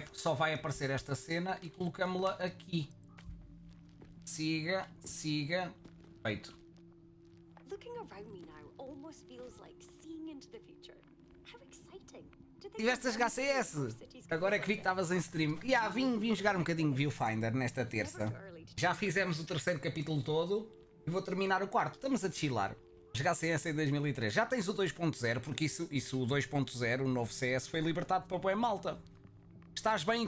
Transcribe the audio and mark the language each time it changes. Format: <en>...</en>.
<pt>Porque só vai aparecer esta cena e colocamos-la aqui. Siga. Perfeito.</pt> <en>Looking around me now almost feels like seeing into the future. How exciting!</en> <pt>Tiveste a jogar CS? Agora é que vi que estavas em stream. E yeah, vim jogar um bocadinho Viewfinder nesta terça. Já fizemos o terceiro capítulo todo. E vou terminar o quarto. Estamos a chilar. Jogassem essa em 2003. Já tens o 2.0, porque isso o 2.0, o novo CS, foi libertado para a boa malta. Estás bem?</pt>